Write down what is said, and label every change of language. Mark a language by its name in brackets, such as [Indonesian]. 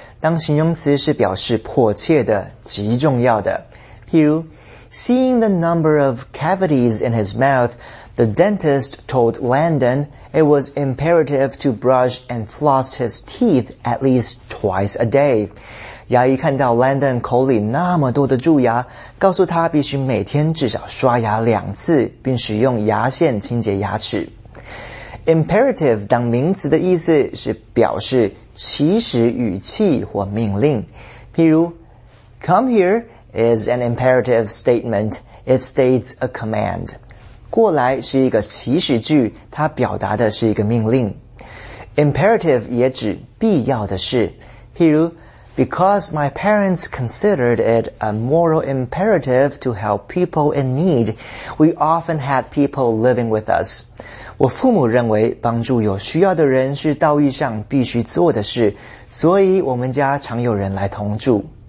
[Chinese] 当形容词是表示迫切的、极重要的。譬如 [English] Seeing the number of cavities in his mouth, the dentist told Landon it was imperative to brush and floss his teeth at least twice a day. [Chinese] 牙医看到 Landon 口里那么多的蛀牙，告诉他必须每天至少刷牙两次，并使用牙线清洁牙齿。 Imperative 当名词的意思是表示起始语气或命令。譬如 [English] Come here,is an imperative statement. It states a command. [Chinese] 过来是一个祈使句，它表达的是一个命令。 Imperative 也指必要的事。譬如 [English] ,because my parents considered it a moral imperative to help people in need, we often had people living with us. [Chinese] 我父母认为帮助有需要的人是道义上必须做的事，所以我们家常有人来同住。